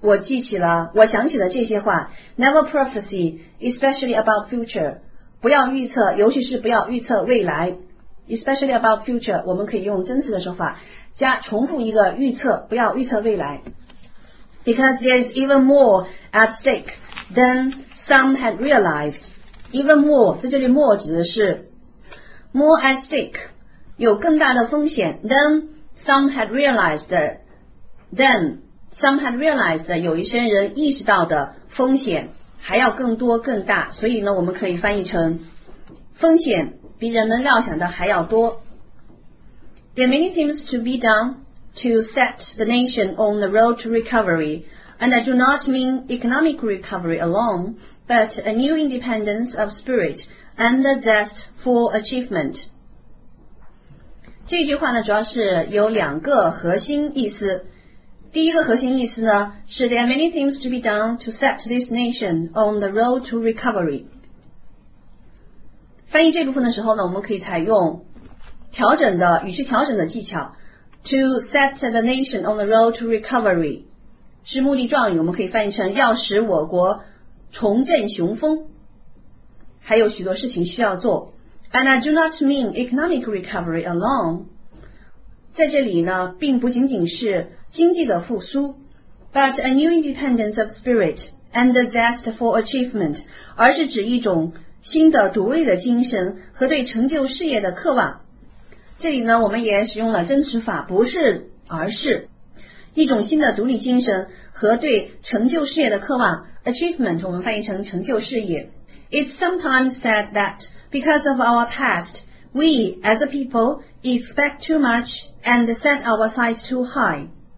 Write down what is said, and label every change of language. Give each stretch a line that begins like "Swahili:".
Chinese: 我记起了，我想起了这些话。
English: Never prophecy, especially about future.
Chinese: 不要预测，尤其是不要预测未来。
English: Especially about future.
Chinese: 我们可以用真实的说法，加重复一个预测，不要预测未来。
English: Because there is even more at stake than some had realized. Even more,
Chinese: 在这里 more 指的是
English: more at stake,
Chinese: 有更大的风险
English: than some had realized,
Chinese: than some had realized, 有一些人意识到的风险还要更多更大，所以呢我们可以翻译成风险比人们料想的还要多。
English: There are many things to be done. To set the nation on the road to recovery, and I do not mean economic recovery alone, but a new independence of spirit and a zest for achievement.
Chinese: 这句话呢，主要是有两个核心意思。第一个核心意思呢，是
English: There are many things to be done to set this nation on the road to recovery.
Chinese: 翻译这部分的时候呢，我们可以采用调整的语序调整的技巧。
English: To set the nation on the road to recovery
Chinese: 是目的状语，我们可以翻译成要使我国重振雄风，还有许多事情需要做。
English: And I do not mean economic recovery alone
Chinese: 在这里呢并不仅仅是经济的复苏，
English: But a new independence of spirit and the zest for achievement
Chinese: 而是指一种新的独立的精神和对成就事业的渴望。这里呢我们也使用了真实法，不是而是一种新的独立精神和对成就事业的渴望。 Achievement 我们翻译成成就事业。
English: It's sometimes said that because of our past, we as a people expect too much and set our sights too high.